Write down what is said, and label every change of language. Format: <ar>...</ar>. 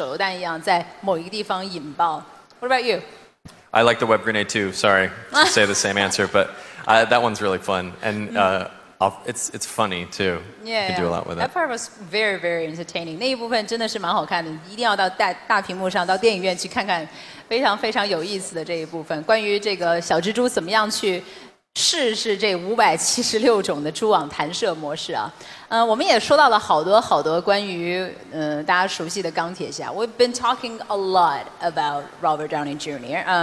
<zh>荷兰弟说他最喜欢的这个蛛丝发射模式就是那个叫做蛛网手榴弹，就是它可以发出一团那个蛛网，然后像手榴弹一样在某一个地方引爆。</zh> <en>What about you? I like the web grenade too. Sorry to say the same answer, but that one's really fun. And It's funny too. Yeah, you can do a lot with that. That part was very, very entertaining.</en> <zh>那一部分真的是蛮好看的，一定要到大屏幕上，到电影院去看看，非常非常有意思的这一部分。关于这个小蜘蛛怎么样去试试这576种的蛛网弹射模式啊，我们也说到了好多好多关于大家熟悉的钢铁侠。</zh> <en>We've been talking a lot about Robert Downey Jr.</en>